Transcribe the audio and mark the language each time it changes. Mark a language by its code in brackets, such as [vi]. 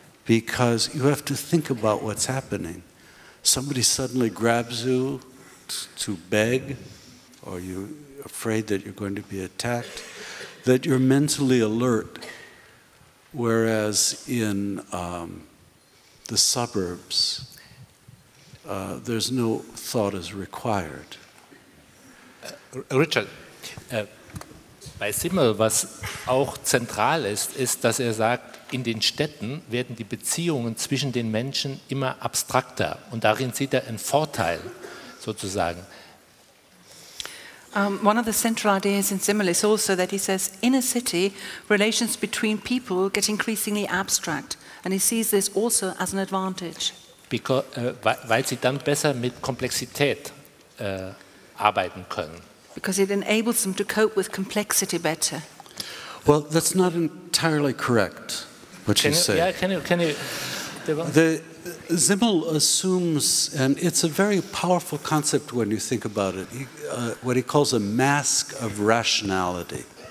[en] Because you have to think about what's happening. Somebody suddenly grabs you to beg, or you're afraid that you're going to be attacked, that you're mentally alert. Whereas in the suburbs, there's no thought is required. Richard. [de] Bei Simmel, was auch zentral ist, ist, dass er sagt, in den Städten werden die Beziehungen zwischen den Menschen immer abstrakter. Und darin sieht er einen Vorteil, sozusagen. [en] One of the central ideas in Simmel is also that he says, in a city, relations between people get increasingly abstract. And he sees this also as an advantage. [de] Weil sie dann besser mit Komplexität arbeiten können. [en] Because it enables them to cope with complexity better. Well, that's not entirely correct, what you say. Yeah, can you? Zimmel assumes, and it's a very powerful concept when you think about it, what he calls a mask of rationality.